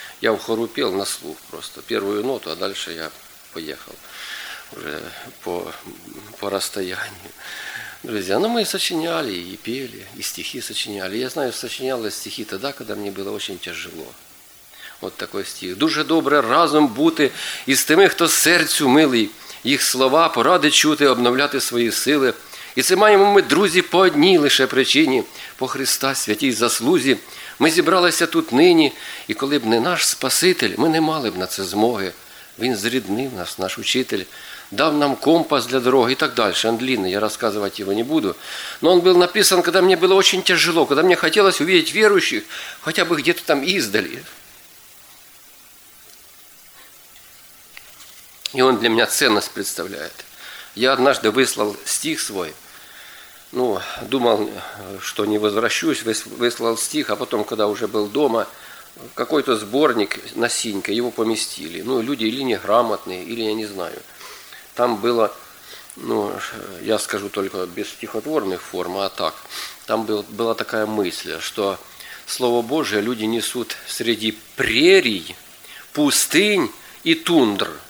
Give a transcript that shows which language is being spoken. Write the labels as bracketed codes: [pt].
[ru] Я в хору пел на слух просто. Первую ноту, а дальше я поехал уже по расстоянию. Друзья, ну мы и сочиняли, и пели, и стихи сочиняли. Я знаю, сочиняла стихи тогда, когда мне было очень тяжело. Вот такой стих. [uk] «Дуже добре разом бути із тими, хто серцю милий, їх слова поради чути, обновляти свої сили». І це маємо ми, друзі, по одній лише причині, по Христа святій заслузі. Ми зібралися тут нині, і коли б не наш Спаситель, ми не мали б на це змоги. Він зріднив нас, наш учитель, дав нам компас для дороги і так далі. Андліни, я розказувати його не буду. Но він був написан, коли мені було дуже тяжело, коли мені хотілося увидеть віруючих, хоча б [ru] где-то там [uk] іздалі. І він для мене цінність представляє. [ru] Я однажды выслал стих свой, ну, думал, что не возвращусь, выслал стих, а потом, когда уже был дома, какой-то сборник на синьке, его поместили. Ну, люди или неграмотные, или я не знаю. Там было, ну, я скажу только без стихотворных форм, а так, там была такая мысль, что Слово Божие люди несут среди прерий, пустынь и тундр.